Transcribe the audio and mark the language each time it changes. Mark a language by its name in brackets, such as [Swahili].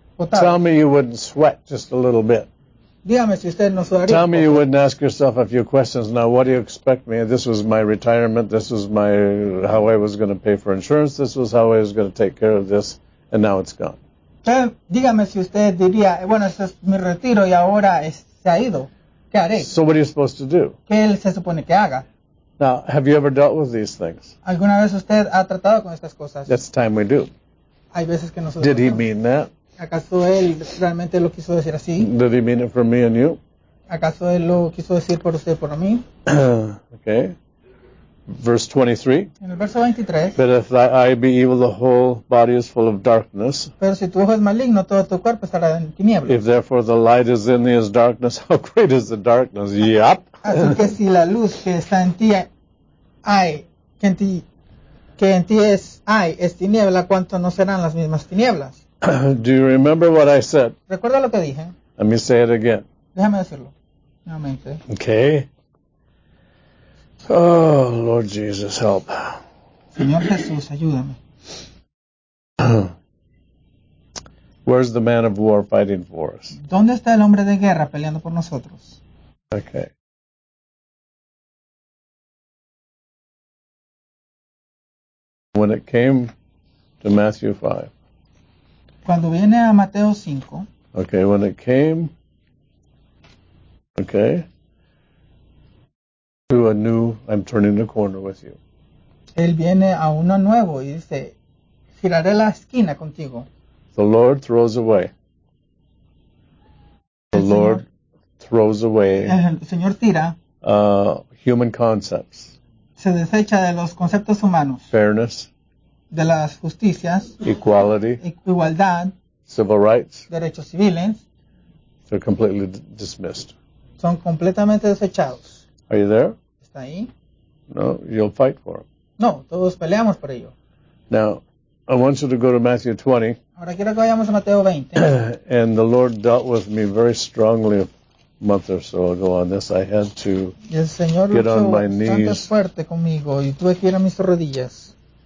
[English] Tell me you wouldn't sweat just a little bit. [Spanish] Dígame si usted no sudaría. [English] Tell me you wouldn't ask yourself a few questions. Now, what do you expect me? This was my retirement. This was my how I was going to pay for insurance. This was how I was going to take care of this. And now it's gone. [Spanish] Dígame si usted diría, bueno, este es mi retiro y ahora se ha ido. ¿Qué haré? [English] So what are you supposed to do? [Spanish] ¿Qué él se supone que haga? [English] Now, have you ever dealt with these things? [Spanish] ¿Alguna vez usted ha tratado con estas cosas? [English] That's time we do. [Spanish] Hay veces que nosotros [English] did he mean that? [Spanish] ¿Acaso él realmente lo quiso decir así? [English] Did he mean it for me and you? [Spanish] ¿Acaso él lo quiso decir por usted y por mí? [English] Okay. Verse 23. [Spanish] En el verso 23. [English] But if thy eye be evil, the whole body is full of darkness. [Spanish] Pero si tu ojo es maligno, todo tu cuerpo estará en tinieblas. [English] If therefore the light is in thee is darkness, how great is the darkness? Yep. [Spanish] Así que si la luz que está en ti hay, que en ti es hay, es tiniebla, ¿cuánto no serán las mismas tinieblas? [English] Do you remember what I said? [Spanish] ¿Recuerda lo que dije? [English] Let me say it again. [Spanish] Déjame decirlo nuevamente. [English] Okay. Oh, Lord Jesus, help. [Spanish] Señor Jesús, ayúdame. [English] Where's the man of war fighting for us? [Spanish] ¿Dónde está el hombre de guerra peleando por nosotros? [English] Okay. When it came to Matthew 5. [Spanish] Cuando viene a Mateo 5. [English] Okay, when it came, okay, to a new, I'm turning the corner with you. [Spanish] Él viene a uno nuevo y dice, giraré la esquina contigo. [English] The Lord throws away. The Lord throws away. [Spanish] El Señor tira. [English] Human concepts. [Spanish] Se desecha de los conceptos humanos. [English] Fairness. [Spanish] De las justicias. [English] Equality. [Spanish] Igualdad. [English] Civil rights. [Spanish] Derechos civiles. [English] They're completely dismissed. [Spanish] Son completamente desechados. [English] Are you there? [Spanish] ¿Está ahí? [English] No, you'll fight for them. [Spanish] No, todos peleamos por ello. [English] Now, I want you to go to Matthew 20. [Spanish] Ahora quiero que vayamos a Mateo 20. [English] And the Lord dealt with me very strongly a month or so ago on this. I had to get on my knees. [Spanish] El Señor luchó fuerte conmigo y tuve que ir a mis rodillas.